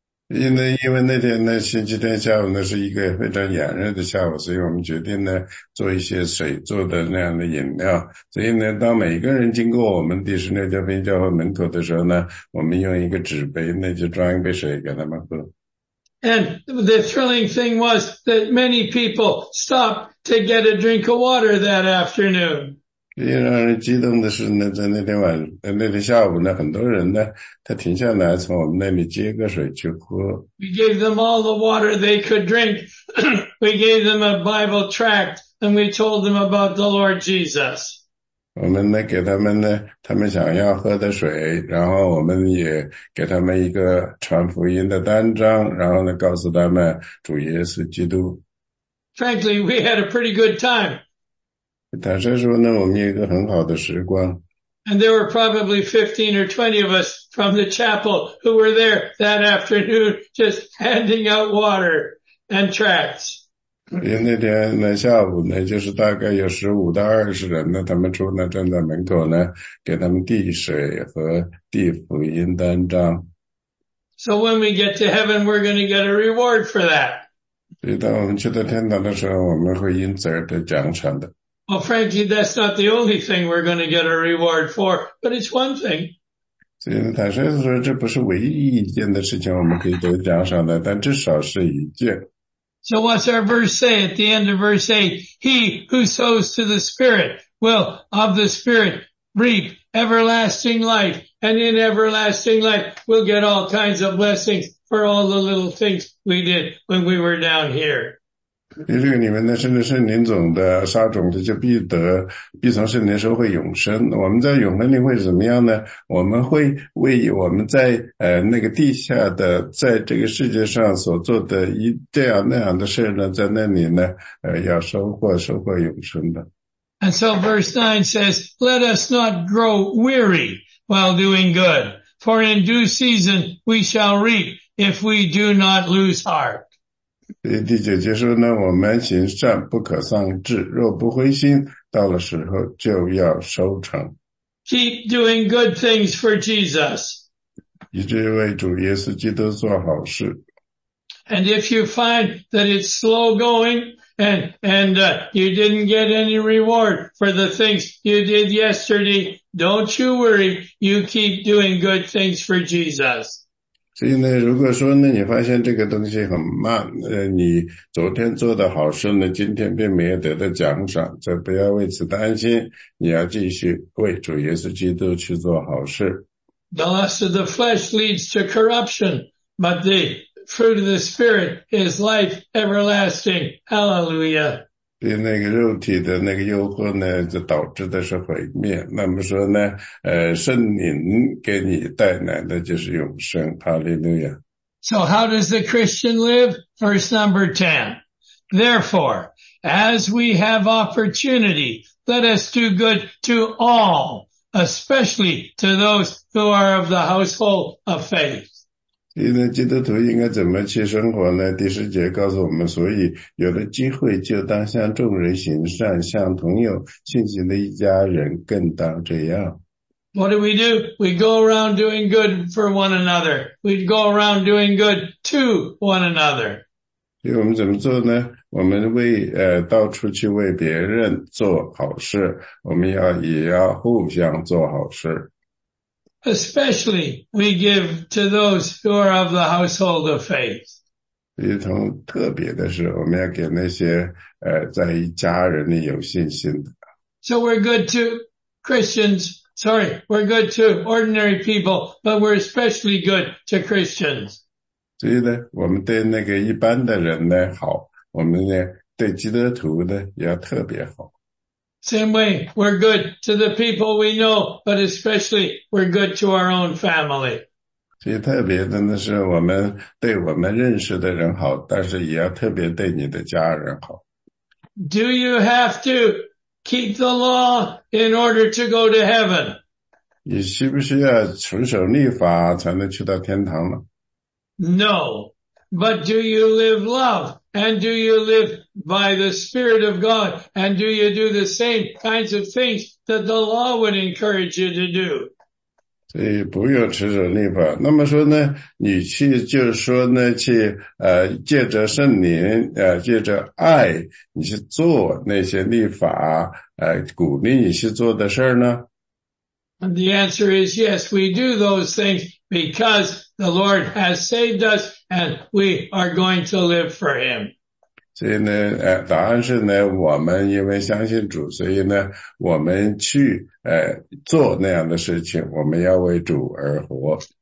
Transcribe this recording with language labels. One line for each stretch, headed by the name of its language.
Chinese: 因为那天呢，星期天下午呢，是一个非常炎热的下午，所以我们决定呢，做一些水做的那样的饮料。所以呢，当每个人经过我们第十六教会教会门口的时候呢，我们用一个纸杯，那就装一杯水给他们喝。
English: And the thrilling thing was that many people stopped to get a drink of water that afternoon.
Chinese: 最让人激动的是呢，在那天晚，那天下午呢，很多人呢，他停下来从我们那里接个水去喝。
English: We gave them all the water they could drink. We gave them a Bible tract, and we told them about the Lord Jesus.
Chinese: 我们呢，给他们呢，他们想要喝的水，然后我们也给他们一个传福音的单张，然后呢，告诉他们主耶稣基督。
English: Frankly, we had a pretty good time.
Chinese: 坦率说呢，我们有一个很好的时光。
English: And there were probably 15 or 20 of us from the chapel who were there that afternoon just handing out water and tracts.
Chinese: 因为那天呢，下午呢，就是大概有15到20人呢，他们出来站在门口呢，给他们递水和递福音单张。
English: So when we get to heaven, we're going to get a reward for that.
Chinese: 所以当我们去到天堂的时候，我们会因此而得奖赏的。
English: Well, frankly, that's not the only thing we're going to get a reward for, but it's one thing.
Chinese: 所以坦率说，这不是唯一一件的事情我们可以得奖赏的，但至少是一件。
English: So what's our verse say at the end of verse 8? He who sows to the Spirit will of the Spirit reap everlasting life, and in everlasting life we'll get all kinds of blessings for all the little things we did when we were down here.
Chinese: 这个里面呢，甚至圣灵种的撒种的就必得，必从圣灵收获永生。我们在永恒里会怎么样呢？我们会为我们在那个地下的，在这个世界上所做的一这样那样的事呢，在那里呢，要收获永生的。
English: And so verse 9 says, "Let us not grow weary while doing good, For in due season we shall reap if we do not lose heart.
Chinese: 第九节说呢，我们行善不可丧志，若不灰心，到了时候就要收成。
English: Keep doing good things for Jesus.
Chinese: 以这位主耶稣基督做好事。
English: And if you find that it's slow going and you didn't get any reward for the things you did yesterday, don't you worry, you keep doing good things for Jesus.
Chinese: 所以呢，如果说呢，你发现这个东西很慢，你昨天做的好事呢，今天并没有得到奖赏，这不要为此担心，你要继续为主耶稣基督去做好事。
English: The lust of the flesh leads to corruption, but the fruit of the Spirit is life everlasting. Hallelujah.
Chinese: 对那个肉体的那个诱惑呢，就导致的是毁灭。那么说呢，圣灵给你带来的就是永生。
English: Hallelujah. So how does the Christian live? Verse number 10. Therefore, as we have opportunity, let us do good to all. Especially to those who are of the household of faith.
Chinese: 所以基督徒应该怎么去生活呢？第十节告诉我们，所以有了机会就当向众人行善，向同有信心的一家人更当这样。
English: What do? We go around doing good for one another. We go around doing good to one another.
Chinese: 所以我们怎么做呢？我们为到处去为别人做好事，我们要也要互相做好事。
English: Especially we give to those who are of the household of faith.
Chinese: 一同特别的是，我们要给那些在一家人里有信心的。
English: So we're good to Christians. Sorry, we're good to ordinary people, but we're especially good to Christians.
Chinese: 所以呢，我们对那个一般的人呢好。我们呢，对基督徒呢要特别好。
English: Same way, we're good to the people we know, but especially we're good to our own family.
Chinese: 所以特别的呢，是我们对我们认识的人好，但是也要特别对你的家人好。
English: Do you have to keep the law in order to go to heaven?
Chinese: 你需不需要遵守律法才能去到天堂呢？
English: No. But do you live love? And do you live by the Spirit of God? And do you do the same kinds of things that the law would encourage you to do?
Chinese: 所以不用持守律法。那么说呢，你去就是说呢，去借着圣灵，借着爱，你去做那些律法，鼓励你去做的事呢？
English: And the answer is yes, we do those things because the Lord has saved us. And we are going to live for him.
Chinese: 所以呢，答案是呢，我们因为相信主，所以呢，我们去做那样的事情，我们要为主而活。